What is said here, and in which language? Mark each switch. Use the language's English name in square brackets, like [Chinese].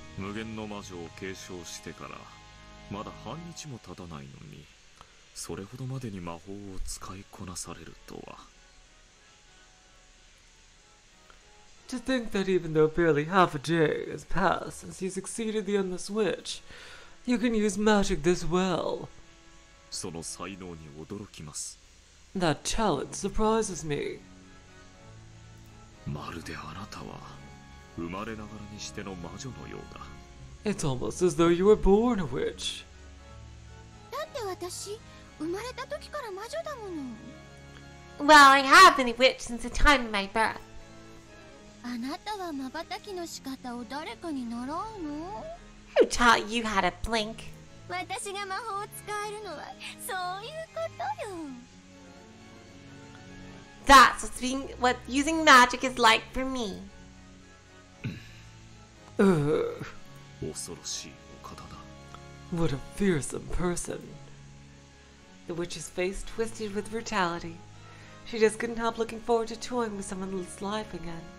[Japanese] 無限の魔女を継承してから、まだ半日も経たないのに、それほどまでに魔法を使いこなされるとは。 [English] To think that even though barely half a day has passed since you succeeded the Endless Witch, you can use magic this well. [Japanese] その才能に驚きます。 [English] That talent surprises me. [Japanese] まるであなたは生まれながらにしての魔女のようだ。 [English] It's almost as though you were born a witch. [Japanese] だって私、生まれた時から魔女だもの。 [English] Well, I have been a witch since the time of my birth. [Japanese] あなたは瞬きの仕方を誰かに習うの? [English] Who taught you how to blink? [Japanese] 私が魔法を使えるのはそういうことよ。 [English] That's what being what using magic is like for me. [Japanese] 恐ろしいお方だ。 [English] What a fearsome person. The witch's face twisted with brutality. She just couldn't help looking forward to toying with someone's life again.